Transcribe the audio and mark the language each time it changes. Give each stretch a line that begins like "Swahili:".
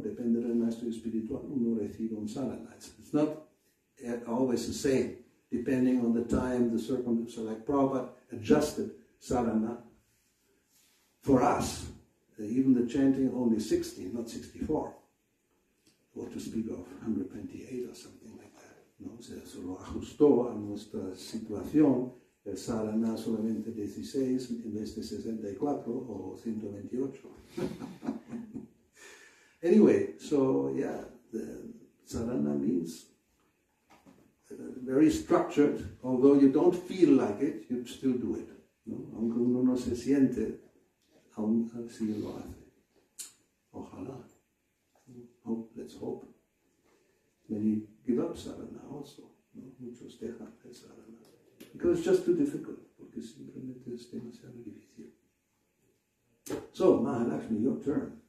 Spanish: Depende del maestro espiritual, uno recibe un sadhana.
English: It's not always the same. Depending on the time, the circumstances, like Prabhupada adjusted sadhana. For us, even the chanting only 60, not 64, or to speak of 128 or something like that.
Spanish: No, o sea, solo ajustó a nuestra situación el sadhana solamente 16 en vez de 64 o 128.
English: Anyway, so yeah, the sadhana means very structured. Although you don't feel like it, you still do it.
Spanish: No, aunque uno no se siente, aún así lo hace.
English: Ojalá. Let's hope. Many give up sadhana also. ¿No?
Spanish: Muchos dejan el sadhana.
English: Because it's just too difficult.
Spanish: Porque simplemente es demasiado difícil.
English: So, Mahalakshmi, your turn.